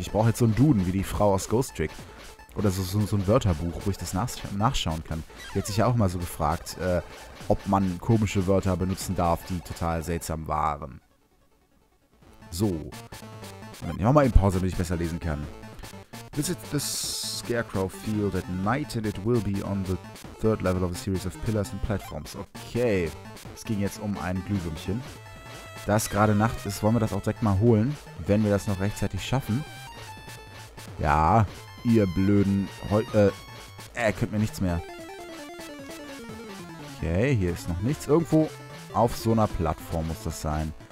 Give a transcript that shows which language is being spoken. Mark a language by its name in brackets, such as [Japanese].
[German] Ich brauche jetzt so einen Duden wie die Frau aus Ghost Trick. Oder so ein Wörterbuch, wo ich das nachschauen kann. Die hat sich ja auch mal so gefragt, ob man komische Wörter benutzen darf, die total seltsam waren. So. Ich mach mal eine Pause, damit ich besser lesen kann. [English] Visit the Scarecrow Field at night and it will be on the third level of a series of pillars and platforms. [German] Okay, es ging jetzt um ein Glühwürmchen. Da es gerade Nacht ist, wollen wir das auch direkt mal holen, wenn wir das noch rechtzeitig schaffen. Ja, ihr blöden... könnt mir nichts mehr. Okay, hier ist noch nichts. Irgendwo auf so einer Plattform muss das sein.